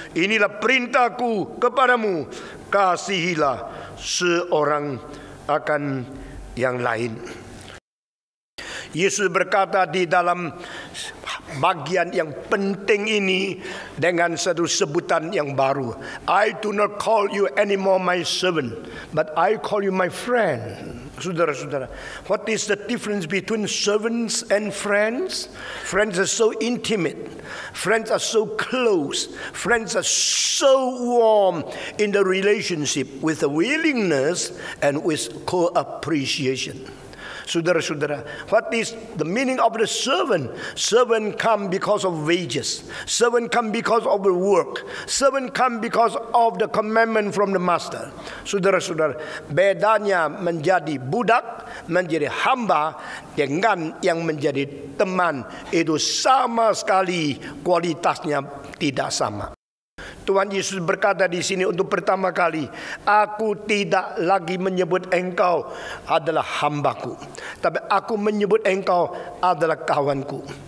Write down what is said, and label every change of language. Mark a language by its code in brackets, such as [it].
[id] Inilah perintahku kepadamu, kasihilah seorang akan yang lain. Yesus berkata di dalam bagian yang penting ini dengan satu sebutan yang baru. [en] I do not call you anymore my servant, but I call you my friend. [id] Saudara-saudara, [en] what is the difference between servants and friends? Friends are so intimate. Friends are so close. Friends are so warm in the relationship with a willingness and with co-appreciation. [id] Saudara-saudara, [en] what is the meaning of the servant? Servant come because of wages. Servant come because of the work. Servant come because of the commandment from the master. [id] Saudara-saudara, bedanya menjadi budak, menjadi hamba, dengan yang menjadi teman, itu sama sekali kualitasnya tidak sama. Tuhan Yesus berkata di sini untuk pertama kali, aku tidak lagi menyebut engkau adalah hambaku, tapi aku menyebut engkau adalah kawanku.